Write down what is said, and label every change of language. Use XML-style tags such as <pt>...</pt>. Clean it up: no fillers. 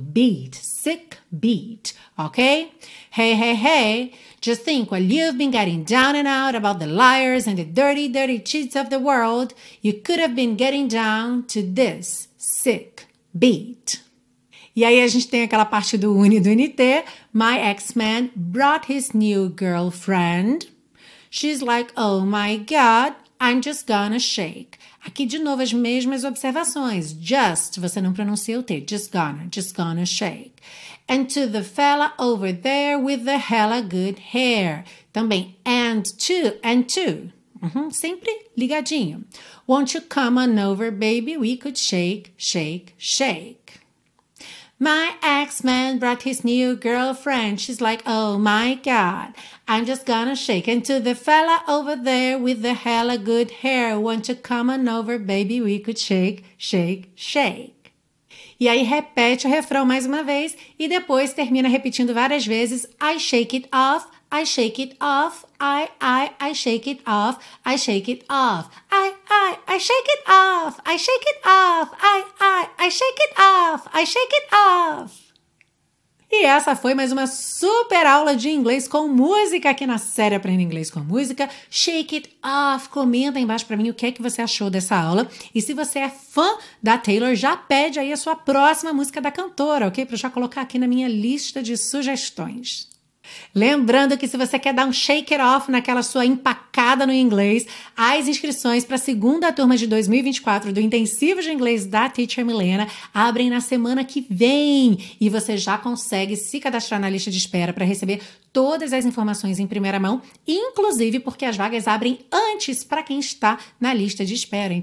<en>Beet, sick beet, ok? Hey, hey, hey, just think what you've been getting down and out about the liars and the dirty, dirty cheats of the world. You could have been getting down to this sick beet.</en> <pt>E aí a gente tem aquela parte do Uni do NT.</pt> <en>My ex-man brought his new girlfriend. She's like, oh my God, I'm just gonna shake.</en> <pt>Aqui, de novo, as mesmas observações. Just, você não pronuncia o T.</pt> <en>Just gonna shake. And to the fella over there with the hella good hair.</en> <pt>Também, and to. Uhum, sempre ligadinho.</pt> <en>Won't you come on over, baby? We could shake, shake, shake. My ex-man brought his new girlfriend. She's like, oh my God, I'm just gonna shake. And to the fella over there with the hella good hair, won't you come on over, baby, we could shake, shake, shake.</en> <pt>E aí repete o refrão mais uma vez e depois termina repetindo várias vezes.</pt> <en>I shake it off, I shake it off, I shake it off, I shake it off, I shake it off, I shake it off, I shake it off, I shake it off.</en> <pt>E essa foi mais uma super aula de inglês com música aqui na série Aprenda Inglês com Música.</pt> <en>Shake it off.</en> <pt>Comenta aí embaixo pra mim o que é que você achou dessa aula. E se você é fã da Taylor, já pede aí a sua próxima música da cantora, ok? Pra eu já colocar aqui na minha lista de sugestões. Lembrando que se você quer dar um shake it off naquela sua empacada no inglês, as inscrições para a segunda turma de 2024 do Intensivo de Inglês da Teacher Milena abrem na semana que vem e você já consegue se cadastrar na lista de espera para receber todas as informações em primeira mão, inclusive porque as vagas abrem antes para quem está na lista de espera.</pt>